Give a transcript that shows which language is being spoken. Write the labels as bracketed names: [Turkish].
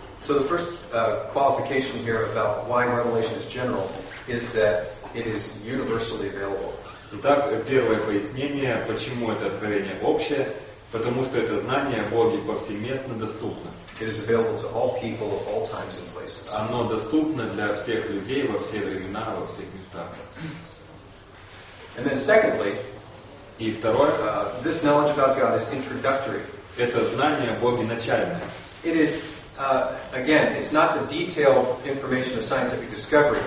[English] So the first qualification here about why revelation is general is that it is universally available. [Russian] Итак, первое пояснение, почему это откровение общее, потому что это знание о Боге повсеместно доступно. [English] It is available to all people of all times and places. [Russian] Оно доступно для всех людей во все времена, во всех местах. [English] And then secondly, [Russian] и второе, [English] this knowledge about God is introductory. [Russian] Это знание о Боге начальное. [English] It is again, it's not the detailed information of scientific discovery.